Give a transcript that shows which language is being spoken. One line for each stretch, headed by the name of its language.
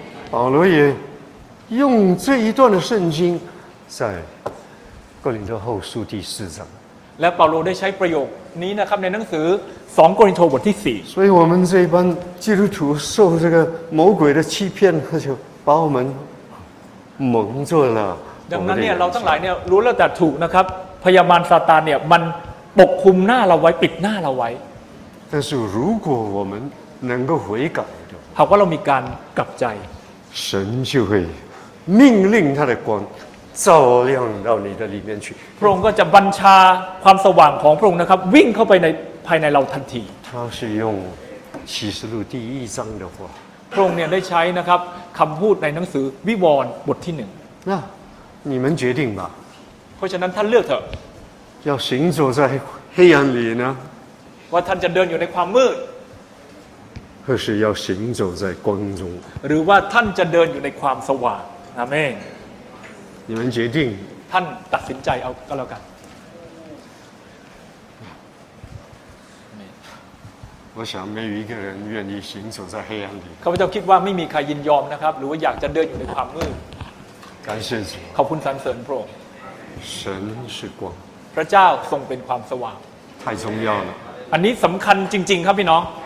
Chinese: เอ罗也用这一段的圣经在哥林多后书第四章
Thai: และเปาโลได้ใช้ประโยคนี้นะครับในหนังสือ2โครินธ์บทที่4
Chinese: 所以我们这一般基督徒受这个魔鬼的欺骗就把我们蒙住了
Thai: ดังนั้นเนี่ยเราทั้งหลายเนี่ยรู้แล้วแต่ถูกนะครับพยามารซาตานเนี่ยมันปกคลุมหน้าเราไว้ปิดหน้าเราไว้
Chinese: 但是如果我们能够悔改
Thai: หากว่าเรามีการกลับใจ
Chinese: 神就会命令他的光照亮到你的里面去
Thai: พระองค์ก็จะบัญชาความสว่างของพระองค์นะครับวิ่งเข้าไปในภายในเราทันที
Chinese: 他是用启示录第一章的话
Thai: พระองค์เนี่ยได้ใช้นะครับคำพูดในหนังสือวิวรณ์บทที่1
Chinese: น่ะ你们决定吧
Thai: เพราะฉะนั้นท่านเลือกเถอะ
Chinese: 要行走在黑暗里呢
Thai: ว่าท่านจะเดินอยู่ในความมืด
Chinese: 或是要行走在光中
Thai: หรือว่าท่านจะเดินอยู่ในความสว่างอาเมน
Chinese: 你们决定
Thai: ท่านตัดสินใจเอาก็แล้วกัน
Chinese: อาเมน我想没有一个人愿意行走在黑暗里
Thai: ข้าพเจ้าคิดว่าไม่มีใครยินยอมนะครับหรือว่าอยากจะเดินอยู่ในความมืด
Chinese: 感谢主
Thai: ขอบคุณสรรเสริญพระองค์
Chinese: 神是光
Thai: พระเจ้าทรงเป็นความสว่าง
Chinese: 太重要了
Thai: อันนี้สำคัญจริงๆครับพี่น้อง